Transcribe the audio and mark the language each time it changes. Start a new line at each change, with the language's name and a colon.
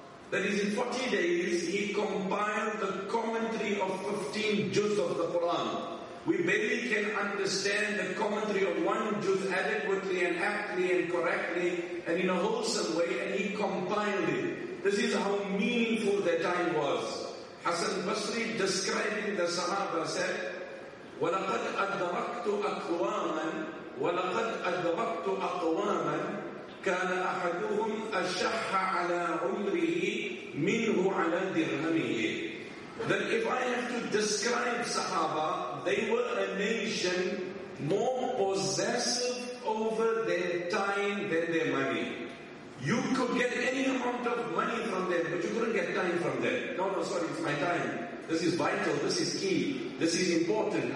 English: That is, in 40 days, he compiled the commentary of 15 juz of the Quran. We barely can understand the commentary of one juz adequately and aptly and correctly and in a wholesome way, and he compiled it. This is how meaningful that time was.
Arabic: Hasan Basri,
English: describing the Sahaba, said,
Arabic: وَلَقَدْ أَدْرَكْتُ أَقْوَامًا وَلَقَدْ أَدْرَكْتُ أَقْوَامًا كان أحدهم أشح على عمره منه على درهمه.
English: That if I have to describe Sahaba, they were a nation more possessive over their time than their money. You could get any amount of money from them, but you couldn't get time from them. No, sorry, it's my time. This is vital, this is key, this is important.